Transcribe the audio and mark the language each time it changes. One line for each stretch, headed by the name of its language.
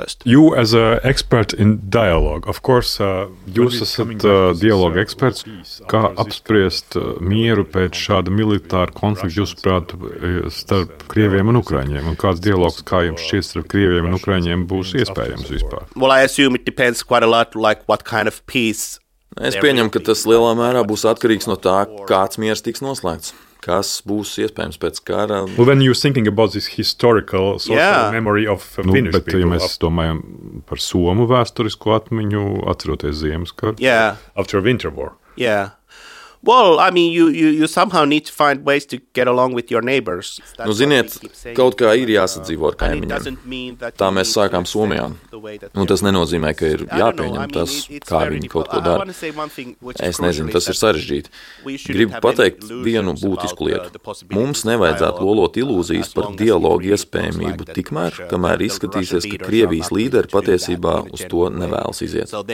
English: You as a expert in dialogue, of course,
Latvian: jūs esat dialogu eksperts, kā apspriest mieru pēc šāda militāra konflikta, jūsuprāt, starp krieviem un ukraiņiem, un kāds dialogs, kā jums šķiet, starp krieviem un ukraiņiem būs iespējams vispār?
English: Well, I assume it depends quite a lot, like what kind of peace.
Latvian: Es pieņemu, ka tas lielā mērā būs atkarīgs no tā, kāds miers tiks noslēgts. Kas būs iespējams pēc kara.
English: Well, when you're thinking about this historical social memory of Finnish people.
Latvian: Bet, ja mēs domājam par somu vēsturisko atmiņu, atceroties Ziemassvētku.
English: After winter war. Yeah. Well, I mean, you somehow need to find ways to get along with your neighbors.
Latvian: Nu, ziniet, kaut kā ir jāsadzīvo ar kaimiņiem. Tā mēs sākām Somijā. Nu, tas nenozīmē, ka ir jāpieņem tas, kā viņi kaut ko dara. Es nezinu, tas ir sarežģīti. Gribu pateikt vienu būtisku lietu. Mums nevajadzētu lolot ilūzijas par dialogu iespējamību tikmēr, kamēr izskatīsies, ka Krievijas līderi patiesībā uz to nevēlas iziet.